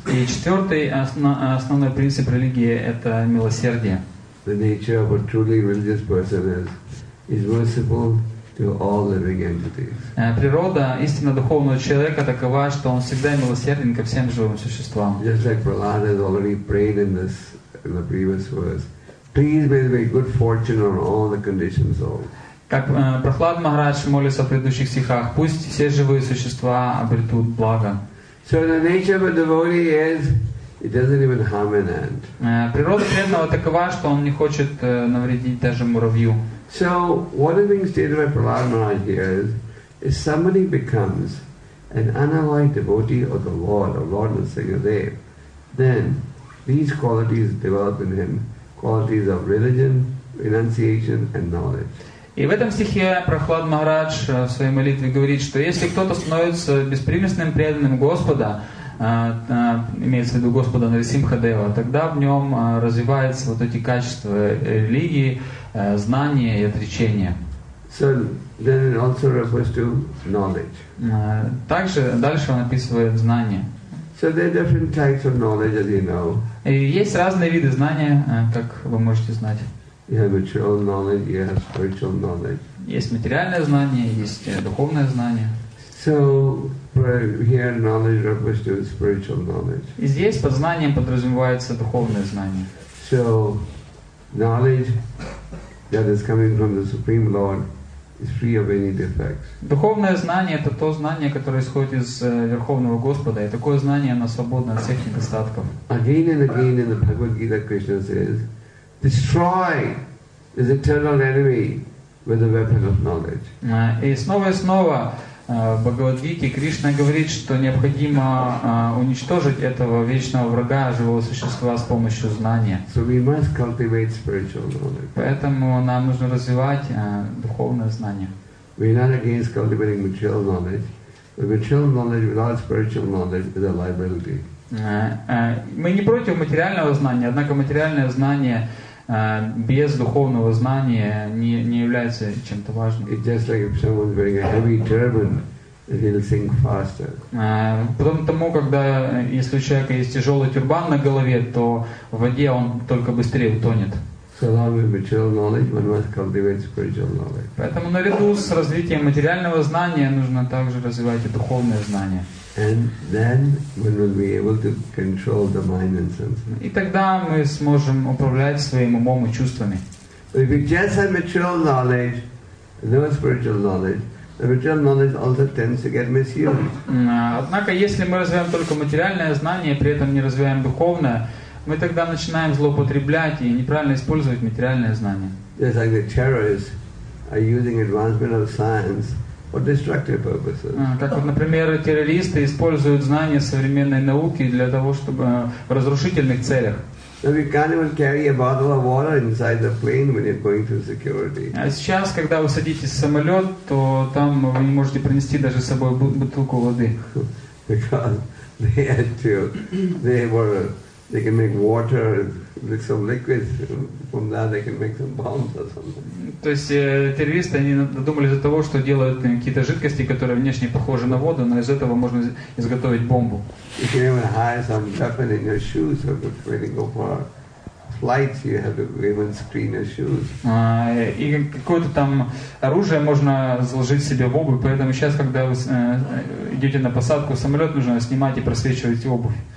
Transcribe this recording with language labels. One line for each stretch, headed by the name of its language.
Russian: И четвертый основной принцип религии – это милосердие.
English: The nature of a truly religious person is merciful to all living entities.
Russian: Природа истинно духовного человека такова, что он всегда милосерден ко всем живым существам.
English: Just like Prahlad has already prayed in the previous verse, please may there be good fortune on all the conditioned souls.
Russian: Как Прохлад Махарадж молится в предыдущих стихах, пусть все живые существа обретут благо.
English: So the nature of a devotee is it doesn't even harm an ant.
Russian: Природа преданного такова, что он не хочет навредить даже муравью.
English: So what is being stated by Prahlad Maharaj here is, if somebody becomes an unalloyed devotee of the Lord, of Lord Nrsingadev, then these qualities develop in him, qualities of religion, renunciation, and knowledge.
Russian: И в этом стихе Прохлад Махарадж в своей молитве говорит, что если кто-то становится беспримесным преданным Господа, имеется в виду Господа Нарисимхадева, тогда в нем развиваются вот эти качества религии, знания и отречения.
English: So then it also refers to knowledge.
Russian: Также дальше он описывает знания.
English: So there are different types of knowledge, as you know.
Russian: Есть разные виды знания, как вы можете знать.
English: You have material knowledge, you have spiritual knowledge.
Russian: Есть материальное знание, есть духовное знание.
English: So here knowledge refers to spiritual knowledge.
Russian: И здесь под знанием подразумевается духовное знание.
English: So knowledge that is coming from the Supreme Lord is free of any defects.
Russian: Духовное знание это то знание, которое исходит из Верховного Господа, и такое знание оно свободно от всех недостатков.
English: Again and again in the Bhagavad Gita, Krishna says, "Destroy this eternal enemy with the weapon of knowledge."
Russian: И снова и снова в Бхагавад-гите Кришна говорит, что необходимо уничтожить этого вечного врага, живого существа с помощью знания.
English: So we must cultivate spiritual knowledge.
Russian: Поэтому нам нужно развивать духовное знание.
English: We're not against cultivating material knowledge, but material knowledge without spiritual knowledge is a liability.
Russian: Мы не против материального знания, однако материальное знание без духовного знания не является чем-то важным.
English: It's just like if someone's wearing a heavy turban will think faster.
Russian: Потом тому, когда если у человека есть тяжелый тюрбан на голове, то в воде он только быстрее утонет. Поэтому наряду с развитием материального знания нужно также развивать и духовное знание.
English: And then we will be able to control the mind and senses.
Russian: И тогда мы сможем управлять своим умом и чувствами.
English: But if we just have material knowledge, no spiritual knowledge, the material knowledge also tends to get misused.
Russian: Однако, если мы развиваем только материальное знание, при этом не развиваем духовное, мы тогда начинаем злоупотреблять и неправильно использовать материальное знание.
English: It's like the terrorists are using advancement of science for destructive purposes.
Russian: Как вот, например, террористы используют знания современной науки для того, чтобы в разрушительных целях.
English: So you can't even carry a bottle of water inside the plane when you're going through security.
Russian: А сейчас, когда вы садитесь в самолет, то там вы не можете принести даже с собой бутылку воды.
English: Because they can make water, make some liquids. From that, they can make some bombs or something.
Russian: То есть террористы, они додумались до того, что делают какие-то жидкости, которые внешне похожи на воду, но из этого можно изготовить бомбу.
English: You can even hide some weapon in your shoes, so when you go for flights, you have to even screen your shoes.
Russian: И какое-то там оружие можно заложить себе в обувь, поэтому сейчас, когда вы идете на посадку в самолет, нужно снимать и просвечивать обувь.